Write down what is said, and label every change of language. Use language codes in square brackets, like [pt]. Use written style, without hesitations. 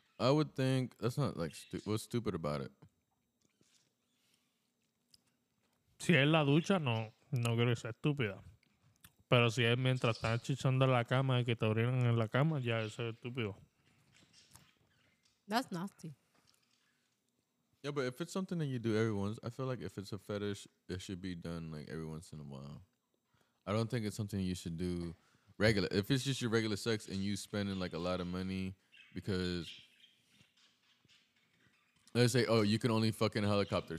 [en] I would think that's not like what's stupid about it. [es] Si es la ducha, no creo que sea estúpida. Pero si es mientras estás chichando la cama y que te orinan en la cama, ya eso es estúpido. [en] That's nasty. Yeah, but if it's something that you do every once, I feel like if it's a fetish, it should be done like every once in a while. I don't think it's something you should do. Regular. If it's just your regular sex and you spending like a lot of money because let's say, oh, you can only fuck in a helicopter.